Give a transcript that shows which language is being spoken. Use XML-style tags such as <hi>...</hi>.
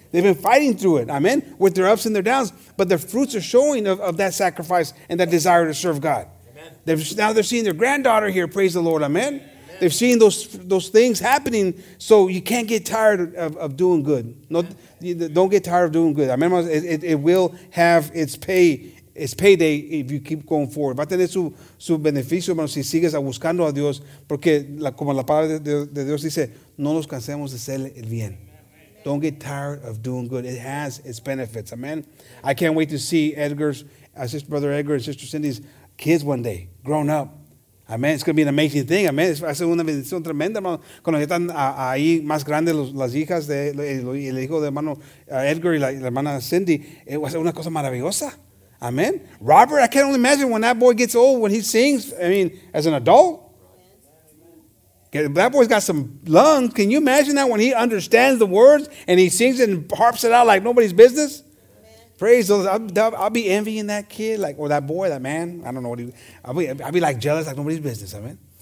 <en>They've been fighting through it, amen, with their ups and their downs. But their fruits are showing of that sacrifice and that desire to serve God. Amen. Now they're seeing their granddaughter here, praise the Lord, amen. Amen. They've seen those things happening, so you can't get tired of doing good. No, don't get tired of doing good. Amen. It will have its payday if you keep going forward.</en> <es>Va a tener su beneficio, hermano, si sigues buscando a Dios, porque como la palabra de Dios dice, no nos cansemos de hacer el bien.</es> <en>Don't get tired of doing good. It has its benefits. Amen. I can't wait to see Brother Edgar and Sister Cindy's kids one day, grown up. Amen. It's going to be an amazing thing. Amen.</en> <es>Va a ser una bendición tremenda, hermano. Cuando están ahí más grandes las hijas de el hijo de hermano Edgar y la hermana Cindy, va a ser una cosa maravillosa. Amen.</es> <en>Robert, I can't only imagine when that boy gets old, when he sings, I mean, as an adult. That boy's got some lungs. Can you imagine that when he understands the words and he sings it and harps it out like nobody's business? Amen. Praise the Lord. I'll be envying that kid, like, or that boy, that man. I don't know what he... I'll be like jealous like nobody's business, amen?</en>